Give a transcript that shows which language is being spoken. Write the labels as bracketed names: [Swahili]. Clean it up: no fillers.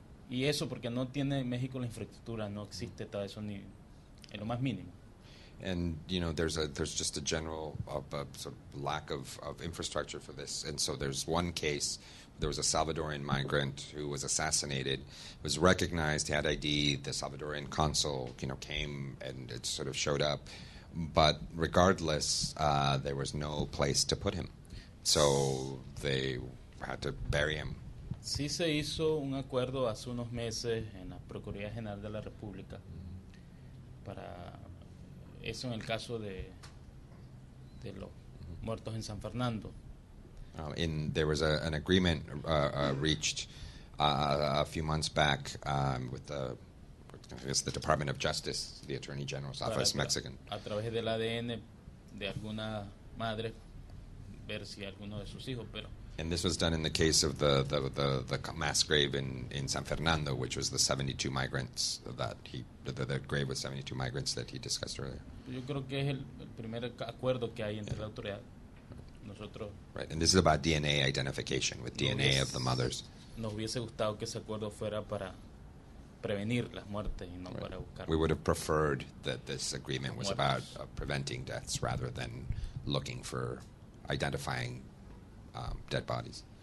[Spanish] Y eso porque no tiene México la infraestructura, no existe todo eso ni en lo más mínimo. [English] And there's just a general sort of lack of infrastructure for this. And so there's one case. There was a Salvadorian migrant who was assassinated, was recognized, had ID. The Salvadorian consul came and it sort of showed up, but regardless, there was no place to put him, so they had to bury him. [Spanish] Sí, se hizo un acuerdo hace unos meses en la Procuraduría General de la República para eso, en el caso de los muertos en San Fernando. [English] There was an agreement reached a few months back with the Department of Justice, the Attorney General's Office, Mexican. [Spanish] A través del ADN de alguna madre, ver si alguno de sus hijos, pero. [English] And this was done in the case of the mass grave in San Fernando, which was the 72 migrants that the grave with 72 migrants that he discussed earlier. [Spanish] Yo creo que es el primer acuerdo que hay entre la autoridad. Nosotros. [English] Right, and this is about DNA identification with DNA of the mothers. [Spanish] Nos hubiese gustado que ese acuerdo fuera para prevenir las muertes y no para buscar. [English] We would have preferred that this agreement was about preventing deaths rather than looking for identifying dead bodies.